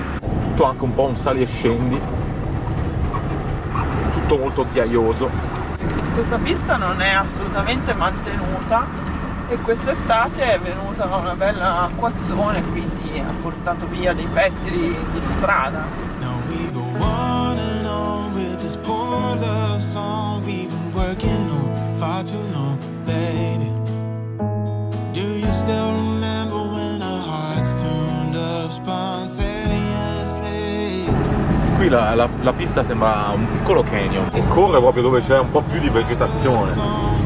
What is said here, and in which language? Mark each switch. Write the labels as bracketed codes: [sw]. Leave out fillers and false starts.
[it] Tutto anche un po' un sali e scendi. Tutto molto ghiaioso. Questa pista non è assolutamente mantenuta e quest'estate è venuta una bella acquazzone, quindi ha portato via dei pezzi di strada. [en] Now we go on and on with this poor love song. We've been working on far too long, baby. Do you still remember when our hearts tuned up spontaneously? [it] Qui la pista sembra un piccolo canyon e corre proprio dove c'è un po' più di vegetazione.